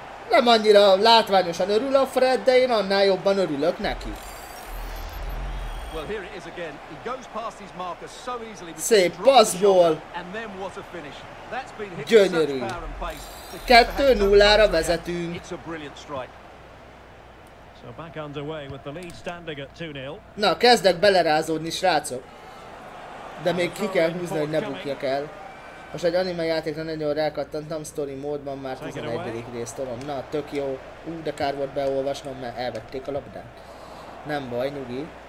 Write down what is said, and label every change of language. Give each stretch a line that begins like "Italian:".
Hungarian: Nem annyira látványosan örül a Fred, de én annál jobban örülök neki.
English: Well, here it is again. He goes past his marker so easily.
Hungarian: Szép passzból.
English: And then what a finish. That's been hit.
Hungarian: Gyönyörű. 2-0-ra vezetünk.
English: It's a brilliant strike. So back underway with the lead standing at 2-0.
Hungarian: Na, kezdek belerázódni, srácok. De még ki kell húzni, hogy ne bukjak el. Most egy anime játékra nagyon rákattantam, story módban már 11. részt tolom. Na, tök jó. De kár volt beolvasnom, mert elvették a labdát. Nem baj, nyugi.